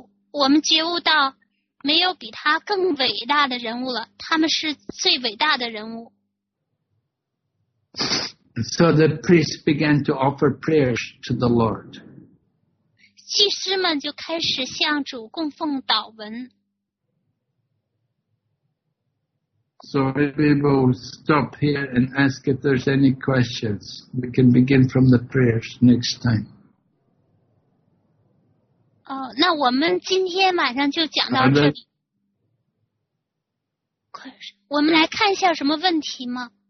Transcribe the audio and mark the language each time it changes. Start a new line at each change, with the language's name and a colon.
Chinese: 我们觉悟到没有比他更伟大的人物了，他们是最伟大的人物。
English: So the priests began to offer prayers to the Lord.
Chinese: 祭师们就开始向主供奉祷文。
English: So we will stop here and ask if there's any questions. We can begin from the prayers next time.
Chinese: Oh, 那我们今天晚上就讲到这里。我们来看一下什么问题吗？